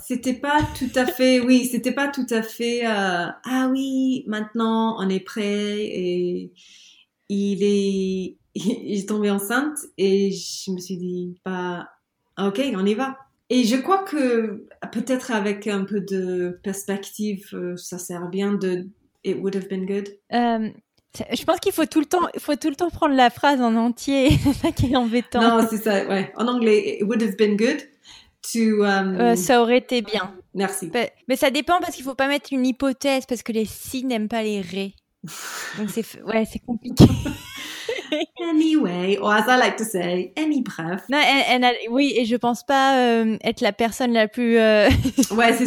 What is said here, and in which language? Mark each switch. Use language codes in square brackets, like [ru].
[fr] C'était pas tout à fait, oui, c'était pas tout à fait. Ah oui, maintenant on est prêt et il est, j'ai tombé enceinte et je me suis dit bah ok, on y va. Et je crois que peut-être avec un peu de perspective, ça sert bien de [en] it would have been good. [fr] Je pense qu'il faut tout le temps, prendre la phrase en entier. C'est ça qui est embêtant. Non, c'est ça. Ouais, en anglais, [en] it would have been good. [fr] Ça aurait été bien. Merci. Mais ça dépend parce qu'il ne faut pas mettre une hypothèse parce que les si n'aiment pas les ré. Donc, c'est compliqué. [en] Anyway, or as I like to say, any bref. [fr] Oui, et je ne pense pas être la personne la plus... ouais, c'est